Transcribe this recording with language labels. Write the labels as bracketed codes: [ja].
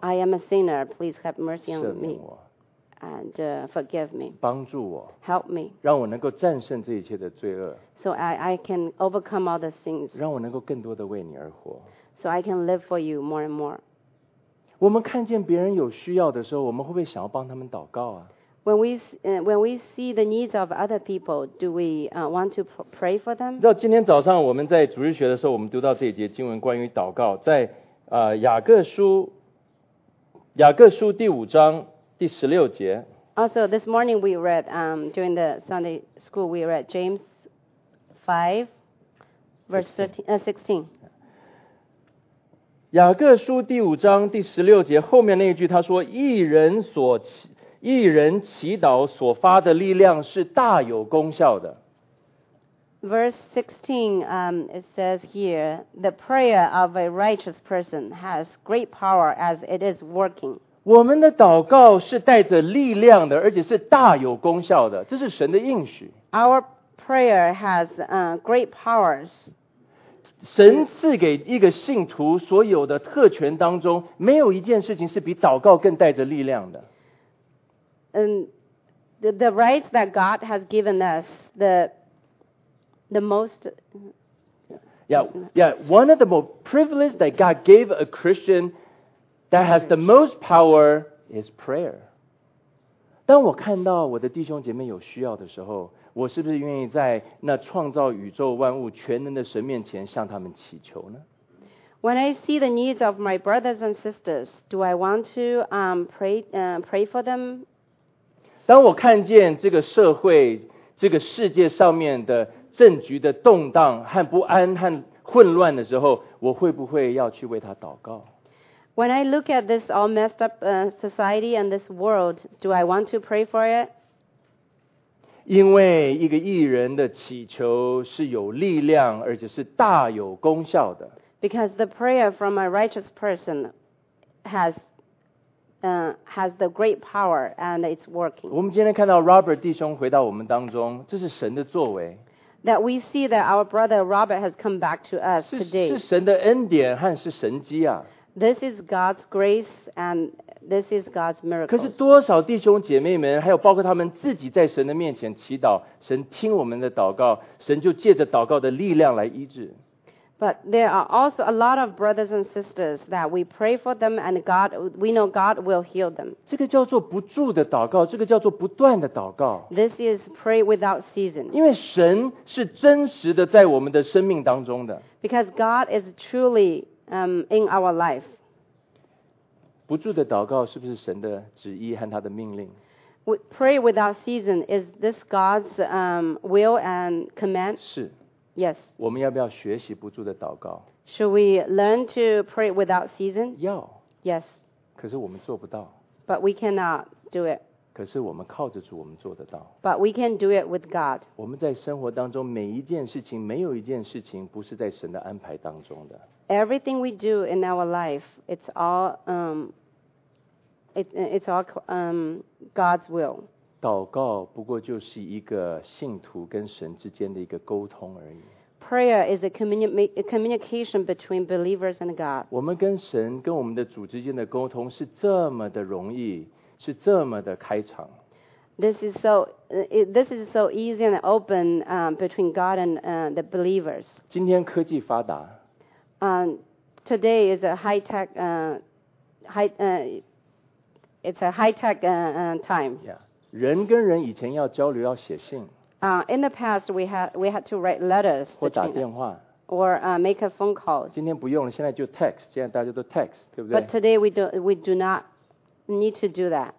[en] I am a sinner. Please have mercy on me. [zh] 赦免我。 [en] And forgive me. [zh] 帮助我。 [en] Help me. [zh] 让我能够战胜这一切的罪恶。 [en] So I can overcome all the things. [zh] 让我能够更多的为你而活。 [en] So I can live for you more and more. [zh] 我们看见别人有需要的时候，我们会不会想要帮他们祷告啊？ [en] When we see the needs of other people, do we want to pray for them? [zh] 到今天早上我们在主日学的时候，我们读到这一节经文关于祷告，在雅各书第五章第十六节。 [en] Also, this morning we read during the Sunday school, we read James 5:16. [zh] 雅各书第五章第十六节后面那一句，他说：“一人祈祷所发的力量是大有功效的。” [en] Verse 16, it says here, the prayer of a righteous person has great power as it is working. [zh] 我们的祷告是带着力量的，而且是大有功效的，这是神的应许。 [en] Our prayer has great powers. [zh] 神赐给一个信徒所有的特权当中，没有一件事情是比祷告更带着力量的。 [en] And the rights that God has given us, the most... Yeah, one of the most privileged that God gave a Christian that has the most power is prayer. [zh] 当我看到我的弟兄姐妹有需要的时候，我是不是愿意在那创造宇宙万物全能的神面前向他们祈求呢？ [en] When I see the needs of my brothers and sisters, do I want to pray for them? [zh] 当我看见这个社会、这个世界上面的政局的动荡和不安和混乱的时候，我会不会要去为他祷告 [en] ？When I look at this all messed up society and this world, do I want to pray for it? [zh] 因为一个义人的祈求是有力量，而且是大有功效的。 [en] Because the prayer from a righteous person has the great power and it's working. [zh] 我们今天看到 Robert 弟兄回到我们当中，这是神的作为。 [en] That we see that our brother Robert has come back to us today. [zh] 是神的恩典和是神迹啊。 [en] This is God's grace and this is God's miracles. [zh] 可是多少弟兄姐妹们，还有包括他们自己在神的面前祈祷，神听我们的祷告，神就借着祷告的力量来医治。 [en] But there are also a lot of brothers and sisters that we pray for them and God, we know God will heal them. [zh] 这个叫做不住的祷告，这个叫做不断的祷告。 [en] This is pray without season. [zh] 因为神是真实的在我们的生命当中的。 [en] Because God is truly in our life. [zh] 不住的祷告是不是神的旨意和他的命令？ [en] Pray without season, is this God's will and command? [zh] 是。 [en] Yes. [zh] 我们要不要学习不住的祷告？ [en] Should we learn to pray without season? [zh] 要。 [en] Yes. [zh] 可是我们做不到。 [en] But we cannot do it. [zh] 可是我们靠着主，我们做得到。 [en] But we can do it with God. [zh] 我们在生活当中每一件事情，没有一件事情不是在神的安排当中的。 [en] Everything we do in our life, it's all God's will. [zh] 祷告不过就是一个信徒跟神之间的一个沟通而已。 [en] Prayer is a communication between believers and God. [zh] 我们跟神跟我们的主之间的沟通是这么的容易，是这么的开场。 [en] This is so easy and open between God and the believers. [zh] 今天科技发达。 [en] Today is a high-tech time. Yeah. [zh] 人跟人以前要交流要写信。 [en] In the past we had to write letters. [zh] 或打电话。 [en] Or make a phone call. [zh] 今天不用了，现在就 text. 现在大家都 text， 对不对 [en] ？But today we do not need to do that.